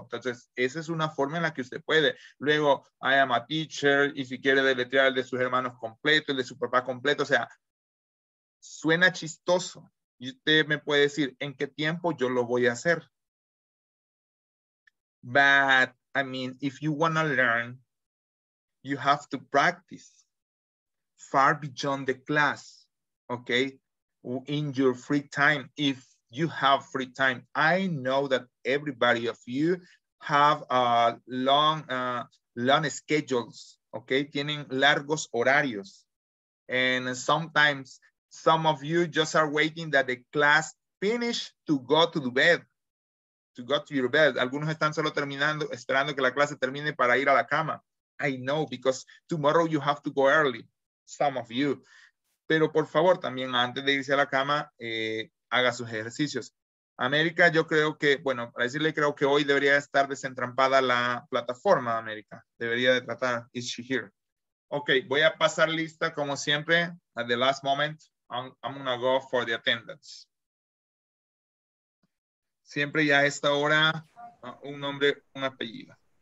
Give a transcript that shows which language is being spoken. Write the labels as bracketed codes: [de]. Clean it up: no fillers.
[es] Entonces, esa es una forma en la que usted puede. Luego, [en] I am a teacher. [es] Y si quiere deletrear el de sus hermanos completo, el de su papá completo. O sea, suena chistoso. Y usted me puede decir, ¿en qué tiempo yo lo voy a hacer? [en] But, I mean, if you want to learn, you have to practice far beyond the class. Okay? In your free time. If you have free time. I know that everybody of you have long schedules, okay? [es] Tienen largos horarios. [en] And sometimes some of you just are waiting that the class finish to go to the bed, to go to your bed. [es] Algunos están solo terminando, esperando que la clase termine para ir a la cama. [en] I know, because tomorrow you have to go early, some of you. [es] Pero por favor, también antes de irse a la cama, haga sus ejercicios. América, yo creo que, bueno, para decirle, creo que hoy debería estar desentrampada la plataforma, América. Debería de tratar. [en] Is she here? [es] Ok, voy a pasar lista como siempre. [en] At the last moment, I'm gonna go for the attendance. [es] Siempre ya a esta hora, un nombre, un apellido.